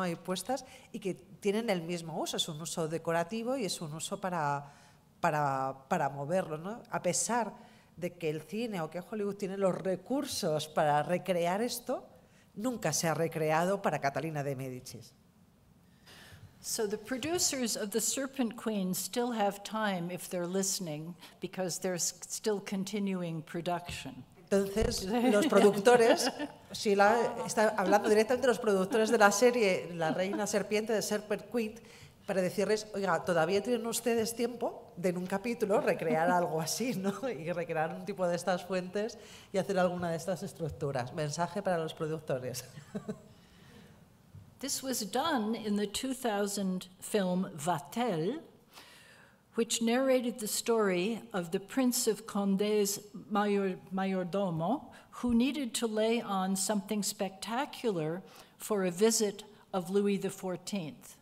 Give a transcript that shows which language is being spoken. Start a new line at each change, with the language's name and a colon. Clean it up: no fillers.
Spanish: Ahí puestas y que tienen el mismo uso, es un uso decorativo y es un uso para moverlo, ¿no? A pesar de que el cine o que Hollywood tiene los recursos para recrear esto, nunca se ha recreado para Catalina de Médicis.
English: So the producers of The Serpent Queen still have time if they're listening because they're still continuing production.
Spanish: Entonces, los productores, si la está hablando directamente de los productores de la serie La Reina Serpiente de Serpent Queen, para decirles, oiga, todavía tienen ustedes tiempo de en un capítulo recrear algo así, ¿no? Y recrear un tipo de estas fuentes y hacer alguna de estas estructuras. Mensaje para los productores.
English: This was done in the 2000 film Vatel, which narrated the story of the Prince of Condé's mayordomo, who needed to lay on something spectacular for a visit of Louis XIV.